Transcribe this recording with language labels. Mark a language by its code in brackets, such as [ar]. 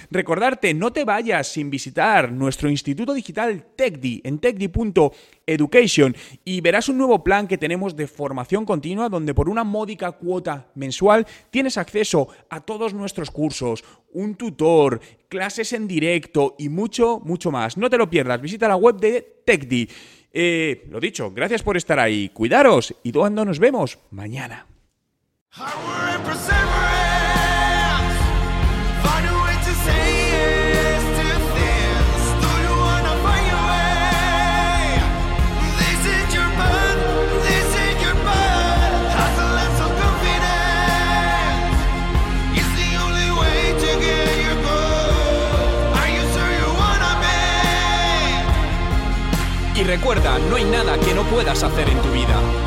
[es] Recordarte, no te vayas sin visitar nuestro Instituto Digital TECDI en tecdi.education, y verás un nuevo plan que tenemos de formación continua, donde por una módica cuota mensual tienes acceso a todos nuestros cursos, un tutor, clases en directo y mucho, mucho más. No te lo pierdas, visita la web de TECDI. Lo dicho, gracias por estar ahí, cuidaros y cuando nos vemos mañana. [en] Power and perseverance. Find a way to say yes to this. Though you wanna find your way. This is your path. This is your path. Hustle and self-confidence. It's the only way to get your goal. Are you sure you wanna be? [es] Y recuerda, no hay nada que no puedas hacer en tu vida.